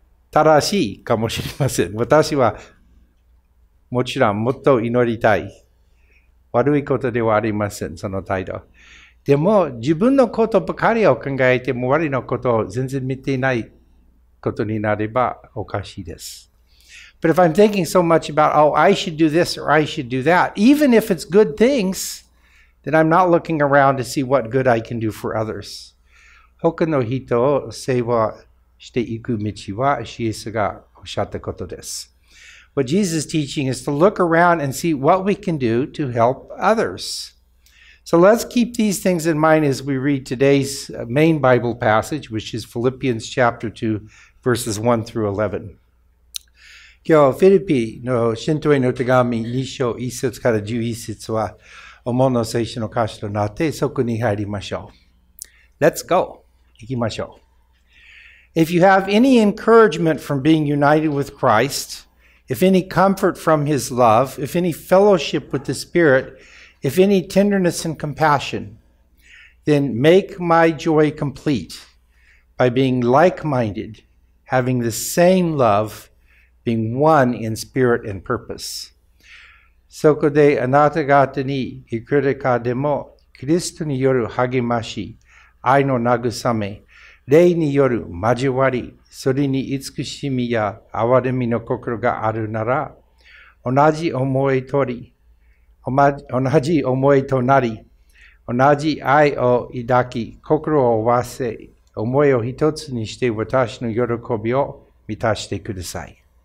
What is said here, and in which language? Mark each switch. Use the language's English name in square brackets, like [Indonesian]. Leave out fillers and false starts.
[Japanese] 正しいかもしれません。私はもちろんもっと祈りたい。悪いことではありません、その態度。でも、自分のことばかりを考えても、周りのことを全然見ていないことになればおかしいです。 [English] But if I'm thinking so much about, oh, I should do this or I should do that, even if it's good things, then I'm not looking around to see what good I can do for others. [Japanese] 他の人を世話していく道は、イエスがおっしゃったことです。 [English] What Jesus is teaching is to look around and see what we can do to help others. So let's keep these things in mind as we read today's main Bible passage, which is Philippians chapter 2, verses 1 through 11. [Japanese] 今日、フィリピの信徒への手紙2章1節から11節は、主の聖書の箇所となって、そこに入りましょう。 [English] Let's go. [Japanese] 行きましょう。 [English] If you have any encouragement from being united with Christ, If any comfort from his love, if any fellowship with the Spirit, if any tenderness and compassion, then make my joy complete by being like-minded, having the same love, being one in spirit and purpose. [Japanese] そこであなた方にいくらかでも、キリストによる励まし、愛の慰め、霊による交わり、それに慈しみや憐れみの心があるなら、同じ思いとなり、同じ愛を抱き、心を合わせ、思いを一つにして私の喜びを満たしてください。